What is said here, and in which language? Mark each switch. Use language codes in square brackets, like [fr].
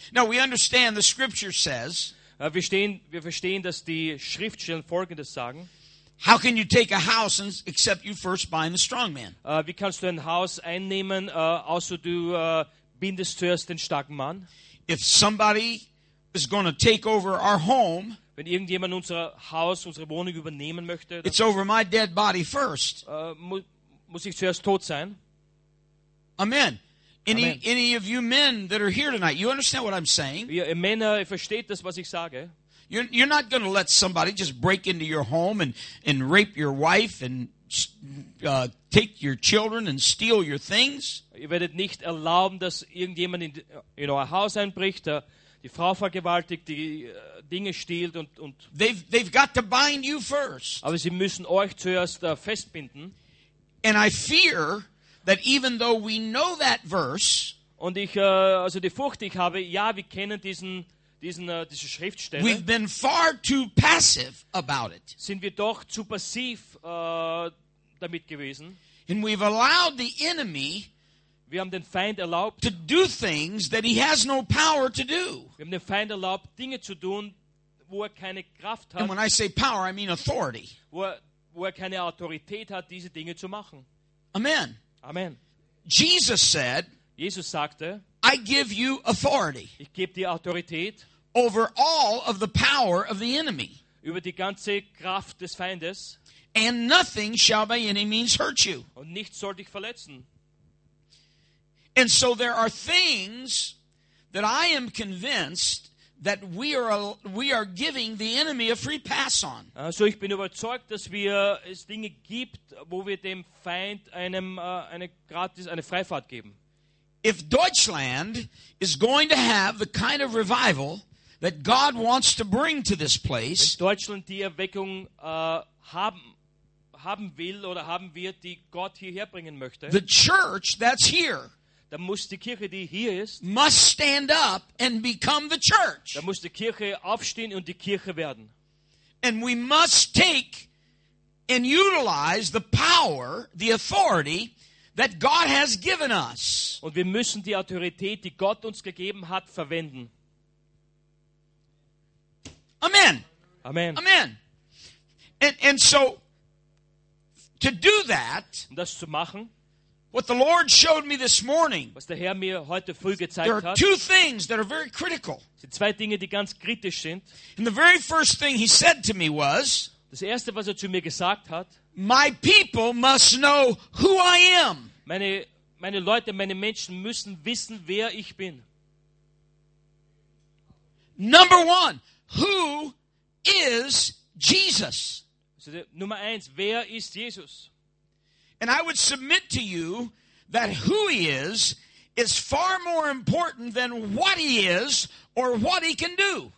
[en] Now we understand the scripture says. [de] Wir verstehen, dass die Schriftstellen Folgendes sagen. [en] How can you take a house except you first bind the strong man? [de] Wie kannst du ein Haus einnehmen, außer du bindest zuerst den starken Mann? [en] If somebody is going to take over our home. [de] Wenn irgendjemand unser Haus, unsere Wohnung übernehmen möchte. [en] It's over my dead body first. [de] Muss ich zuerst tot sein? [en] Amen. Any of you men that are here tonight, you understand what I'm saying? [de] Ihr Männer, ihr versteht das, was ich sage. [en] You're not going to let somebody just break into your home and rape your wife and take your children and steal your things. [de] Ihr werdet nicht erlauben, dass irgendjemand in euer Haus einbricht, die Frau vergewaltigt, die Dinge stiehlt und. [en] They've got to bind you first. [de] Aber sie müssen euch zuerst festbinden. [en] And I fear that even though we know that verse, [de] und ich also die Furcht, die ich habe, ja, wir kennen diese Schriftstelle. [en] We've been far too passive about it. [de] Sind wir doch zu passiv damit gewesen? [en] And we've allowed the enemy. [de] Wir haben den Feind erlaubt [en] to do things that he has no power to do. [de] Wir haben den Feind erlaubt Dinge zu tun, wo er keine Kraft hat. [en] And when I say power, I mean authority. [de] Wo er keine Autorität hat, diese Dinge zu machen. [en] Amen. Amen. Jesus said, [de] Jesus sagte, [en] I give you authority. [de] Ich gebe dir Autorität [en] over all of the power of the enemy. [de] über die ganze Kraft des Feindes. [en] And nothing shall by any means hurt you. [de] Und nichts soll dich verletzen. [en] And so there are things that I am convinced that we are giving the enemy a free pass on. [de] Also ich bin überzeugt, dass wir es Dinge gibt, wo wir dem Feind eine Freifahrt geben. [en] If Deutschland is going to have the kind of revival that God wants to bring to this place, [de] wenn Deutschland die Erweckung haben will oder haben wird, die Gott hierher bringen möchte, [en] the church that's here, [de] dann muss die Kirche, die hier ist, [en] must stand up and become the church. [de] Dann muss die Kirche aufstehen und die Kirche werden. [en] And we must take and utilize the power, the authority that God has given us. [de] Und wir müssen die Autorität, die Gott uns gegeben hat, verwenden. [en] Amen. Amen. Amen. And so to do that, [de] das zu machen, [en] what the Lord showed me this morning, [de] was der Herr mir heute früh gezeigt [en] hat, there are two things that are very critical. [de] Sind zwei Dinge, die ganz kritisch sind. [en] And the very first thing he said to me was, [de] das erste, was zu mir gesagt hat, [en] my people must know who I am. [de] Meine Leute, meine Menschen müssen wissen, wer ich bin. [en] Number one, who is Jesus? [de] So, Nummer eins, wer ist Jesus? [en] And I would submit to you that who he is far more important than what he is or what he can do.